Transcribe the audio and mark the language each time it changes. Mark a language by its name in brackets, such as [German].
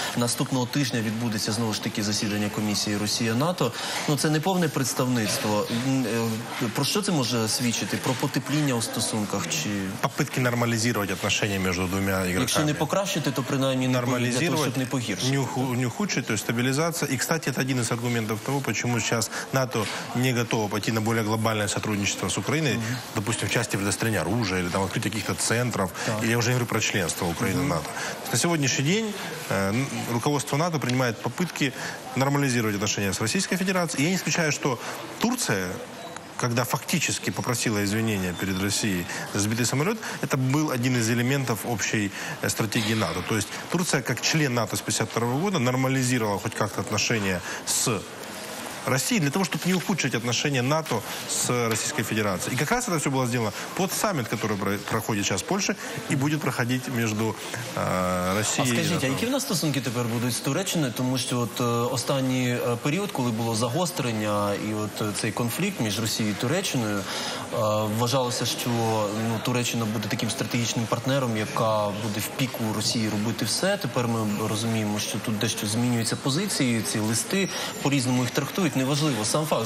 [Ukrainian] Наступного тижня відбудеться знову ж таки засідання комісії Росія-НАТО. Ну, це не повне представництво. Про що це може свідчити? Про потепління у стосунках? Чи... Попитки нормалізувати отношення між двома ігроками. Якщо не покращити, то принаймні не нормалізувати, щоб не погіршити. Нюхучити. [Russian] То есть стабилизация. И, кстати, это один из аргументов того, почему сейчас НАТО не готово пойти на более глобальное сотрудничество с Украиной, mm-hmm. допустим, в части предоставления оружия или там открытия каких-то центров. Mm-hmm. Или я уже говорю про членство Украины в НАТО. На сегодняшний день руководство НАТО принимает попытки нормализировать отношения с Российской Федерацией. И я не исключаю, что Турция, когда фактически попросила извинения перед Россией за сбитый самолет, это был один из элементов общей стратегии НАТО. То есть Турция, как член НАТО с 1952 года, нормализировала хоть как-то отношения с России для того, чтобы не ухудшить отношения НАТО с Российской Федерацией. И как раз это все было сделано под саммит, который проходит сейчас в Польше и будет проходить между Россией и НАТО. А скажите, а какие у нас стосунки теперь будут с Туреччиной? Потому что [Ukrainian] от, останній період, коли було загострення і от цей конфлікт між Росією і Туреччиною, вважалося, що ну, Туреччина буде таким стратегічним партнером, яка буде в піку Росії робити все. Тепер ми розуміємо, що тут дещо змінюються позиції, ці листи, по-різному їх трактують. неважливо, сам факт.